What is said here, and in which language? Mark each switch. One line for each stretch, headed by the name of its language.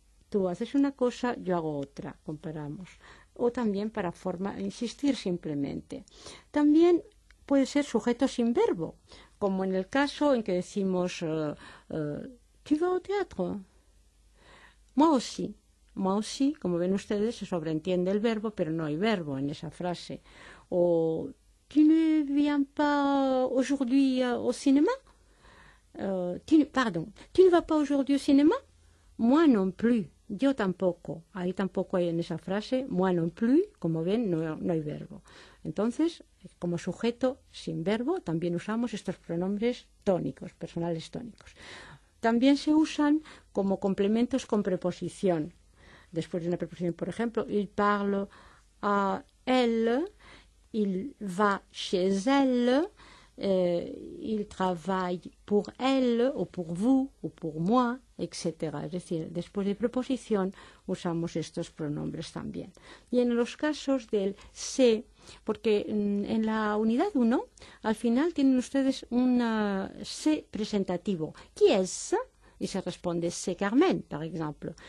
Spanish: Tú haces una cosa, yo hago otra, comparamos. O también para forma insistir simplemente. También puede ser sujeto sin verbo, como en el caso en que decimos ¿tú
French: vas au théâtre? Moi aussi. Moi aussi,
Spanish: como ven ustedes, se sobreentiende el verbo, pero no hay verbo en esa frase.
French: O ¿tú ne viens pas aujourd'hui au cinéma? ¿Tú ne vas pas aujourd'hui au cinéma? Moi non plus.
Spanish: Yo tampoco. Ahí tampoco hay en esa frase.
French: Moi non plus.
Spanish: Como ven, no hay verbo. Entonces, como sujeto sin verbo, también usamos estos pronombres tónicos, personales tónicos. También se usan como complementos con preposición. Después de una preposición, por ejemplo,
French: il parle à elle, il va chez elle. Il travaille pour elle, ou pour vous, ou pour moi, etc.
Spanish: Es decir, después de preposición, usamos estos pronombres también. Y en los casos del se, porque en la unidad 1, al final tienen ustedes un se presentativo. ¿Qui es? Y se responde, se Carmen, por ejemplo.